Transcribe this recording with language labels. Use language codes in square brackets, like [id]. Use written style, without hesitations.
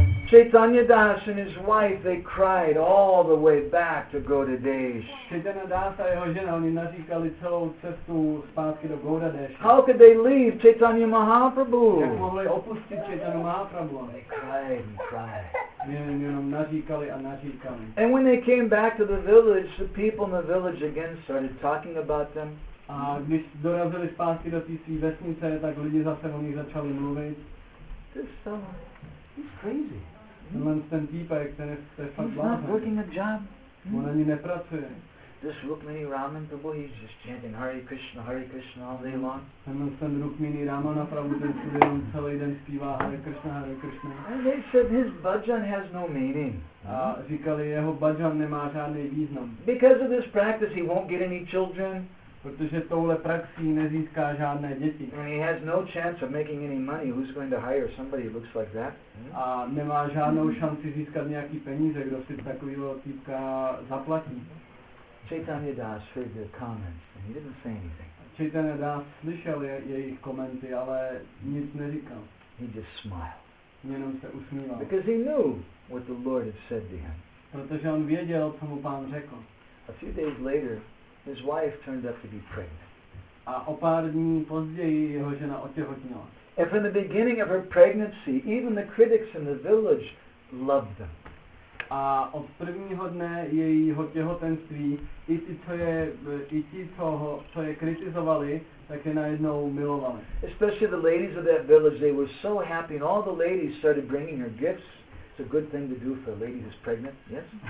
[en] Chaitanya Das and his wife, they cried all the way back to Godadesh. [cs] Chaitanya Das a jeho žena, oni naříkali celou cestu zpátky do Godadesh. [en] How could they leave Chaitanya Mahaprabhu? [cs] Jak mohli opustit Chaitanya Mahaprabhu? [en] They cried and cried. [cs] Jenom naříkali a naříkali. [en] And when they came back to the village, the people in the village again started talking about them. [cs] A když dorazili zpátky do té vesnice, tak lidi zase o nich začali mluvit. [en] He's crazy. [cs] Ten týpek, ten je [en] he's not working a job. [cs] On ani nepracuje. [en] This Rukmini Raman Prabhu, he's just chanting Hare Krishna all day long. [cs] Ten Rukmini Raman Prabhu, ten celý den zpívá Hare Krishna, Hare Krishna. [en] And they said his bhajan has no meaning. [cs] A říkali, jeho bhajan nemá žádný význam. [en] Because of this practice he won't get any children. [cs] Protože touhle praxí nezíská žádné děti. [en] And he has no chance of making any money. Who's going to hire somebody who looks like that? [cs] A nemá žádnou šanci získat nějaký peníze, kdo si takovýho týpka zaplatí. [en] Chaitanya Das heard their comments and he didn't say anything. [cs] Chaitanya Das slyšel jejich komenty, ale nic neříkal. [en] He just smiled. [cs] Jenom se usmíval. [en] Because he knew what the Lord had said to him. [cs] Protože on věděl, co mu pán řekl. [en] A few days later, his wife turned up to be pregnant. [cs] A o pár dní později jeho žena otěhotněla. [en] And from the beginning of her pregnancy, even the critics in the village loved them. [cs] A od prvního dne jejího těhotenství, i ti, co je kritizovali, tak je najednou milovali. [en] Especially the ladies of that village, they were so happy, and all the ladies started bringing her gifts. It's a good thing to do for a lady who's pregnant, yes?